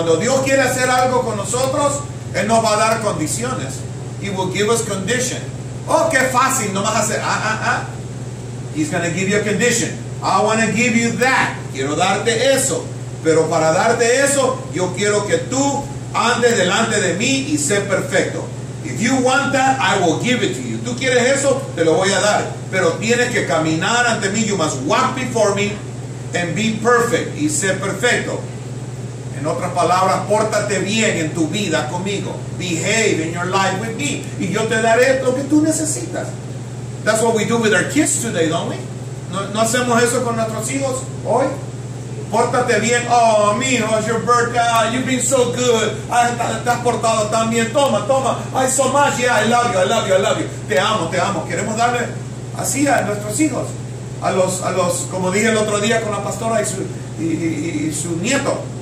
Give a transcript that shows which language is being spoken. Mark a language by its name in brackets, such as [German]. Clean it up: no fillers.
[Spanish] Cuando Dios quiere hacer algo con nosotros, Él nos va a dar condiciones. [English] He will give us condition. [Spanish] Oh, qué fácil, no vas a hacer. [English] He's going to give you a condition. I want to give you that. [Spanish] Quiero darte eso. Pero para darte eso, yo quiero que tú andes delante de mí y sé perfecto. [English] If you want that, I will give it to you. [Spanish] Tú quieres eso, te lo voy a dar. Pero tienes que caminar ante mí. [English] You must walk before me and be perfect. [Spanish] Y sé perfecto. En otras palabras, pórtate bien en tu vida conmigo. [English] Behave in your life with me. [Spanish] Y yo te daré lo que tú necesitas. [English] That's what we do with our kids today, don't we? [Spanish] ¿No hacemos eso con nuestros hijos hoy? Pórtate bien. [English] Oh, mijo, it's your birthday. You've been so good. [Spanish] Te has portado tan bien. Toma, toma. [English] Ay, so much. Yeah, I love you, I love you, I love you. [Spanish] Te amo, te amo. Queremos darle así a nuestros hijos. A los, como dije el otro día con la pastora y su nieto.